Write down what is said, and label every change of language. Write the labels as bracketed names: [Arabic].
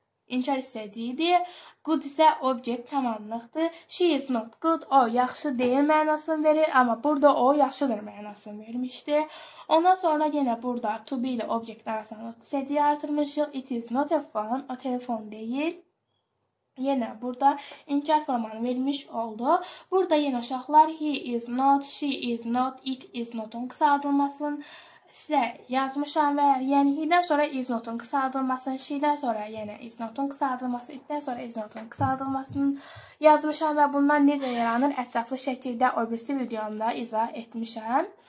[Azerbaijani] Enjoy isə deyildi. Good isə object tamamlıqdır. [English] She is not good. [Azerbaijani] O, yaxşı deyil mənasını verir. Amma burada o, yaxşıdır mənasını vermişdi. Ondan sonra yenə burada to be ilə object arasında not isə deyə artırmışıq. [English] It is not a phone. O, telefon deyil. [Azerbaijani] Yenə burada incar formanı vermiş oldu. Burada yenə uşaqlar [English] he is not, she is not, [Azerbaijani] it is not-un qısaldılmasını sizə yazmışam. Və yəni he-dən sonra is not-un qısaldılmasını, she-dən sonra yenə is not-un qısaldılmasını, it-dən sonra is not-un qısaldılmasını yazmışam. Və bunlar necə yaranır ətraflı şəkildə o birisi videomda izah etmişəm.